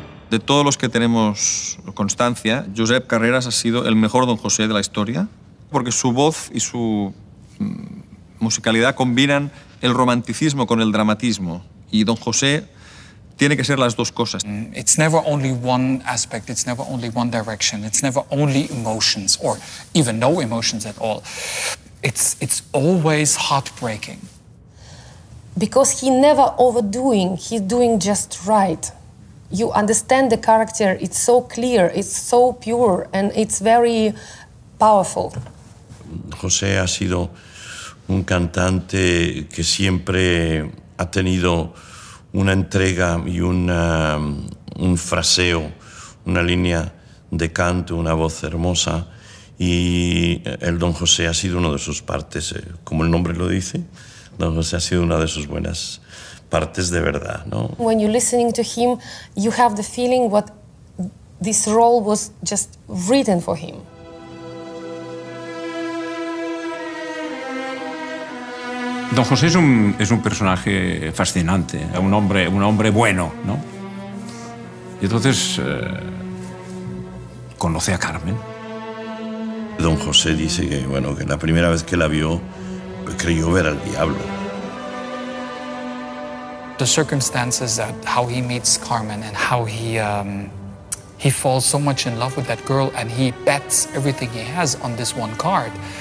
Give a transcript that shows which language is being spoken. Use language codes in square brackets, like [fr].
[es] De todos los que tenemos constancia, Josep Carreras ha sido el mejor Don José de la historia, porque su voz y su musicalidad combinan el romanticismo con el dramatismo, y Don José tiene que ser las dos cosas. [en] It's never only one aspect, it's never only one direction, it's never only emotions or even no emotions at all. It's always heartbreaking. Because he never overdoing, he's doing just right. You understand the character, it's so clear, it's so pure and it's very powerful. [es] José ha sido un cantante que siempre ha tenido una entrega y un fraseo, una línea de canto, una voz hermosa. Y el Don José ha sido una de sus partes, como el nombre lo dice, Don José ha sido una de sus buenas partes de verdad, ¿no? [en] When you're listening to him, you have the feeling what this role was just written for him. [es] Don José es un personaje fascinante, un hombre bueno, ¿no? Y entonces conoce a Carmen. Don José dice que, bueno, que la primera vez que la vio creyó ver al diablo. [en] The circumstances that how he meets Carmen and how he falls so much in love with that girl and he bets everything he has on this one card.